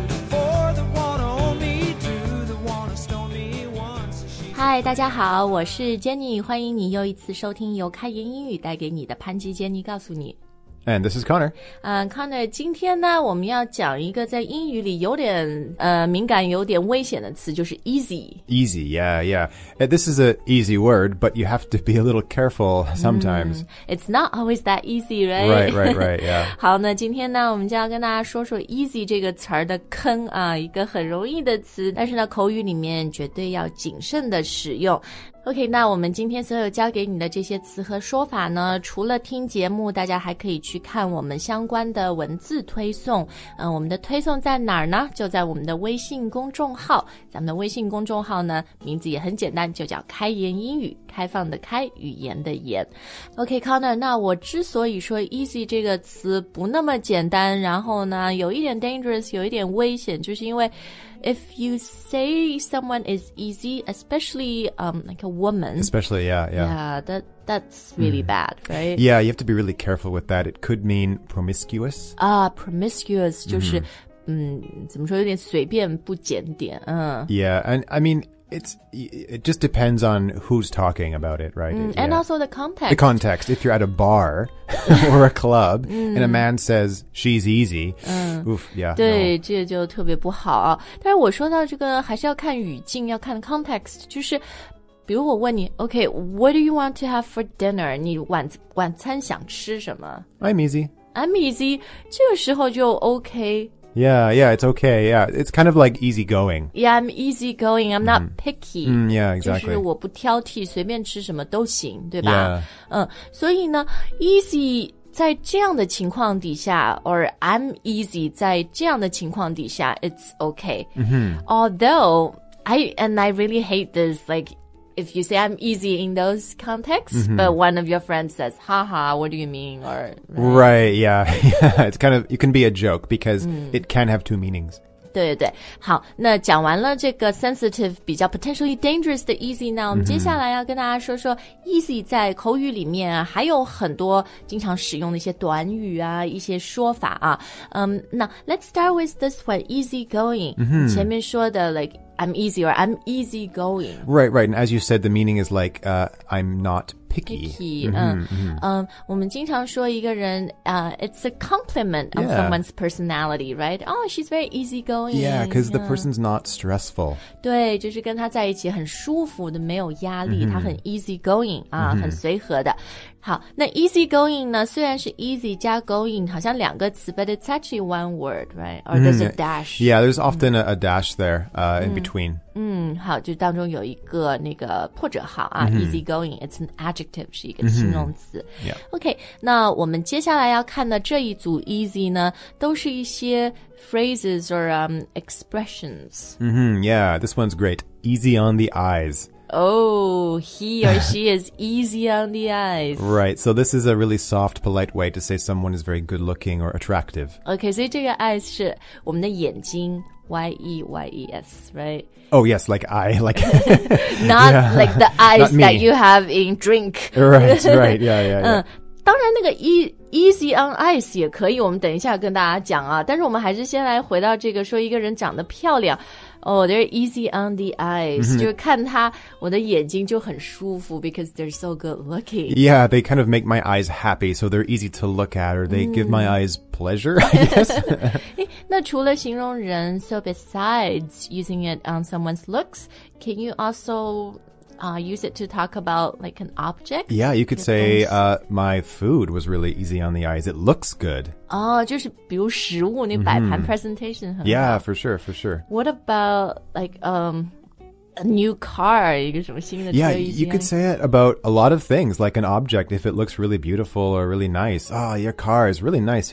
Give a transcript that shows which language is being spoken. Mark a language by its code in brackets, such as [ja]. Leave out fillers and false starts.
[en] For the one to hold me, two that want to stone me once. [zh] Hi, 大家好，我是 Jenny， 欢迎你又一次收听由开言英语带给你的潘吉 Jenny 告诉你。 [en] And this is Connor. [zh] Connor, 今天呢我们要讲一个在英语里有点敏感有点危险的词，就是 easy. [en] Easy, yeah. This is an easy word, but you have to be a little careful sometimes. It's not always that easy, right? Right, yeah. [zh] 好，那今天呢我们就要跟大家说说 easy 这个词儿的坑啊，一个很容易的词，但是呢口语里面绝对要谨慎的使用。 OK, 那我们今天所有教给你的这些词和说法呢，除了听节目，大家还可以去看我们相关的文字推送。我们的推送在哪儿呢？就在我们的微信公众号。咱们的微信公众号呢，名字也很简单，就叫开言英语，开放的开，语言的言。 OK, Connor, 那我之所以说 easy 这个词不那么简单，然后呢，有一点 dangerous, 有一点危险，就是因为 [en] If you say someone is easy, especially like a woman. Especially, yeah. Yeah, that's really bad, right? Yeah, you have to be really careful with that. It could mean promiscuous. [zh] Promiscuous, 就是、怎么说有点随便不检点。 [en] Yeah, and I mean... It just depends on who's talking about it, right? And also the context. The context. If you're at a bar or a club, and a man says, she's easy, oof, yeah. [zh] 对、no. 这就特别不好。但是我说到这个还是要看语境，要看 context, 就是比如我问你 [en] OK, what do you want to have for dinner? [zh] 你 晚餐想吃什么 [en] I'm easy, [zh] 这个时候就 OK。 [en] Yeah, it's okay, yeah. It's kind of like easygoing. Yeah, I'm easygoing, I'm not picky. Yeah, exactly. [zh] 就是我不挑剔，随便吃什么都行，对吧？ [en] Yeah. [zh] 所以呢 ,easy 在这样的情况底下 [en] or I'm easy [zh] 在这样的情况底下 [en] it's okay. Mm-hmm. Although, I really hate this, like, if you say I'm easy in those contexts, but one of your friends says, haha, what do you mean? Or, right, yeah. It's kind of, it can be a joke because it can have two meanings. [zh] 对对对。好，那讲完了这个 sensitive, 比较 potentially dangerous 的 easy 呢，我们接下来要跟大家说说 easy 在口语里面、啊、还有很多经常使用的一些短语啊，一些说法啊。 [en] Now, let's start with this one, easy going.、 Mm-hmm. [zh] 前面说的 [en] like,I'm easy or I'm easy going. Right. And as you said, the meaning is like, I'm not picky. We [zh] 经常说一个人, [en] it's a compliment on someone's personality, right? Oh, she's very easy going. Yeah, because the person's not stressful. [zh] 对,就是跟他在一起很舒服的,没有压力,他很 easy going, 很随和的。好,那 easy going 呢,虽然是 easy 加 going, 好像两个词, [en] but it's actually one word, right? Or there's a dash. Yeah, there's often a dash there in between. [zh] 好,就当中有一个那个破折号啊, easy going, [en] it's an adjective, [zh] 是一个形容词。 OK, 那我们接下来要看的这一组 easy 呢,都是一些 [en] phrases or expressions. Yeah, this one's great. Easy on the eyes. Oh, he or she is easy on the eyes. Right, so this is a really soft, polite way to say someone is very good-looking or attractive. [zh] Okay, 所以这个 eyes 是我们的眼睛 Y-E-Y-E-S, right? [en] Oh, yes, like eye. Like not like the eyes that you have in drink. right, yeah. [zh] 当然那个 easy on eyes 也可以，我们等一下跟大家讲啊。但是我们还是先来回到这个，说一个人长得漂亮。 [en] Oh, they're easy on the eyes. [zh] 就看他，我的眼睛就很舒服 [en] because they're so good looking. Yeah, they kind of make my eyes happy, so they're easy to look at, or they give my eyes pleasure, I guess. [zh] 那除了形容人 [en] so besides using it on someone's looks, can you also... use it to talk about like an object? Yeah, you could say my food was really easy on the eyes. It looks good. [zh] Oh, 就是比如食物那摆盘 presentation 很好。 [en] Yeah, for sure. What about like a new car? [zh] 一个什么新的车 [en] Yeah, you could say it about a lot of things, like an object. If it looks really beautiful or really nice. Oh, your car is really nice.